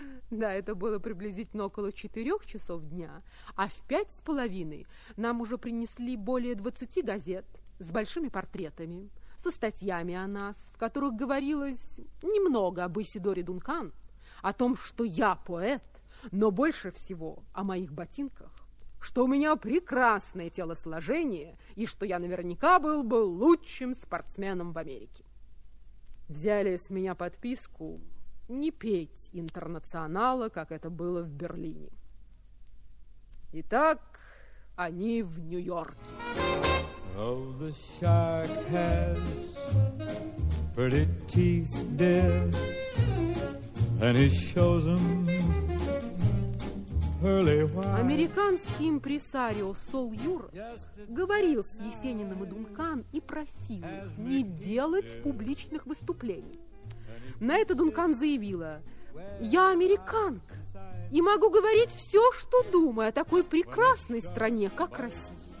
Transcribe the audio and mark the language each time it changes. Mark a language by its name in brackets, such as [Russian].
[Russian] Да, это было приблизительно около 4 часов дня, а в 5:30 нам уже принесли более 20 газет с большими портретами, со статьями о нас, в которых говорилось немного об Исидоре Дункан, о том, что я поэт, но больше всего о моих ботинках, что у меня прекрасное телосложение и что я наверняка был бы лучшим спортсменом в Америке. Взяли с меня подписку не петь «Интернационала», как это было в Берлине. Итак, они в Нью-Йорке. [English] Oh, the shark has pretty teeth, dear, and he shows them pearly white. [Russian] Американский импресарио Сол Юр говорил с Есениным и Дункан и просил их не делать публичных выступлений. На это Дункан заявила: «Я американка и могу говорить все, что думаю о такой прекрасной стране, как Россия».